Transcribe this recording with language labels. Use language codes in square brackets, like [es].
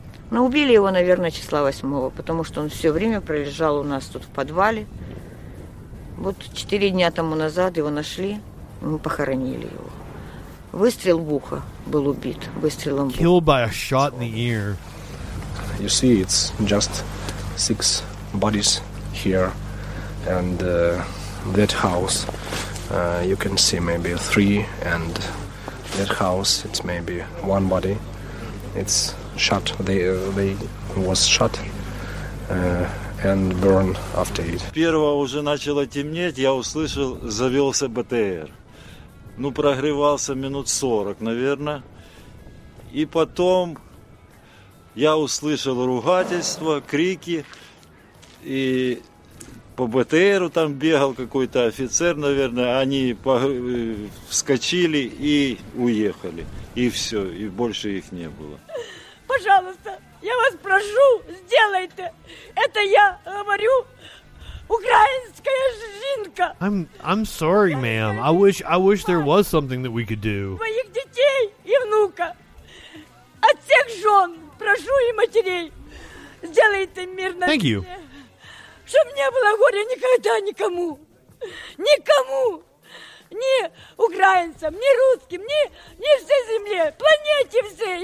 [ru] Ну, убили его, наверное, числа 8-го, потому что он все время пролежал у нас тут в подвале. Вот 4 дня тому назад его нашли, мы похоронили его. Выстрел в ухо был убит, выстрелом в ухо. [en] Killed by a shot in the ear. You see, it's just 6 bodies here, and that house, you can see maybe 3, and that house, it's maybe 1 body. It's shot. They was shot and burned after it. [ru] Первого уже начало темнеть, я услышал, завелся БТР. Ну, прогревался минут 40, наверное. И потом я услышал ругательство, крики. И по БТРу там бегал какой-то офицер, наверное. Они вскочили и уехали. И все, и больше их не было. Пожалуйста, я вас прошу, сделайте. Это я говорю, украинская жінка. [en] I'm sorry, ma'am. I wish there was something that we could do. [ru] Моих детей и внука, отцов жен, прошу и матерей, сделайте мир на. [en] Thank you. [ru] Чтоб не было горя никогда никому, никому. Ни украинцам, ни русским, ни всей земле, планете всей.